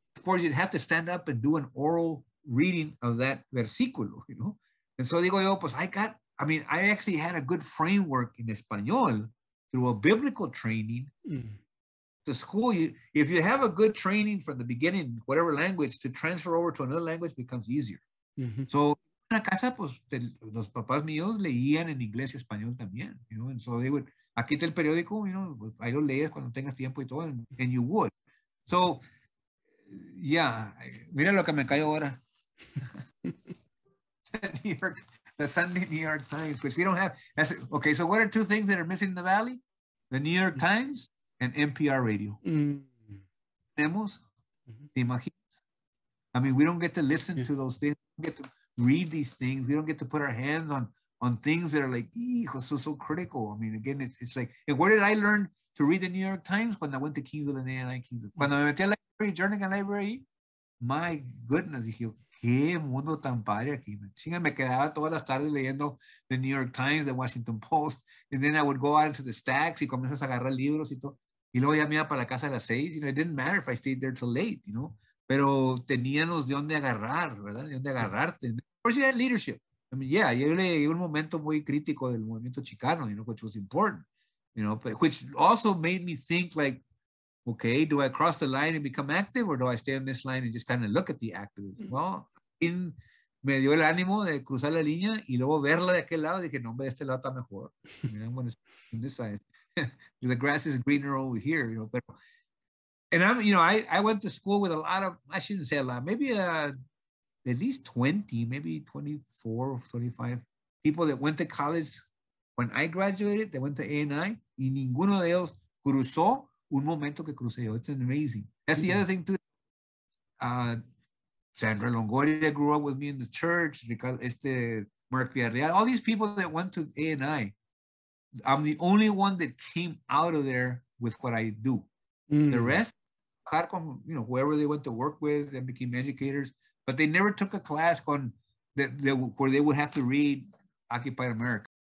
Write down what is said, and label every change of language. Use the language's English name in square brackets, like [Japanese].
[English] Of course, you'd have to stand up and do an oral reading of that versículo, you know. And so [Spanish] digo yo, pues [English] I actually had a good framework in Espanol through a biblical training. The school, if you have a good training from the beginning, whatever language, to transfer over to another language becomes easier. [Spanish] Mm-hmm. So en la casa, pues, los papás míos leían en inglés y español también, [English] you know, and so they would, [Spanish] aquí está el periódico, [English] you know, [Spanish] ahí lo lees cuando tengas tiempo y todo, [English] and you would. So, yeah, [Spanish] mira lo que me cayó ahora. [English] The Sunday New York Times, which we don't have. That's, okay, so what are two things that are missing in the Valley? The New York Times and NPR Radio. [Spanish] Tenemos, ¿te imaginas? [English] I mean, we don't get to listen to those things. We don't get to read these things. We don't get to put our hands on things that are like, hijo, so, so critical. I mean, again, it's like, and where did I learn to read the New York Times? When I went to Kingsville and A&I Kingsville. [Spanish] Cuando me metí a la library, journey a library, [English] my goodness, [Spanish] dije, qué mundo tan padre aquí. Chinga, me quedaba todas las tardes leyendo [English] the New York Times, the Washington Post, and then I would go out into the stacks [Spanish] y comienzas a agarrar libros y todo. Y luego ya me iba para la casa a las seis. [English] You know, it didn't matter if I stayed there till late, you know. [Spanish] Pero teníamos de dónde agarrar, ¿verdad? De dónde agarrarte. [English] Of course, you had leadership. I mean, yeah, [Spanish] yo leí un momento muy crítico del movimiento chicano, [English] you know, which was important, you know, but, which also made me think like, okay, do I cross the line and become active, or do I stay on this line and just kind of look at the activism? [Spanish] Well, me dio el ánimo de cruzar la línea y luego verla de aquel lado. Dije, no, hombre, este lado está mejor. [English] I'm going to stay on this side. The grass is greener over here, you know. But, and I'm, you know, I went to school with a lot of, I shouldn't say a lot, maybe at least 20, maybe 24 or 25 people that went to college when I graduated. They went to A&I, [Spanish] y ninguno de ellos cruzó un momento que crucé yo. [English] It's amazing. That's the other thing too. Sandra Longoria grew up with me in the church. Ricardo, Mark Villarreal, all these people that went to A&I, I'm the only one that came out of there with what I do. Mm. The rest, you know, whoever they went to work with and became educators, but they never took a class on where they would have to read Occupied America.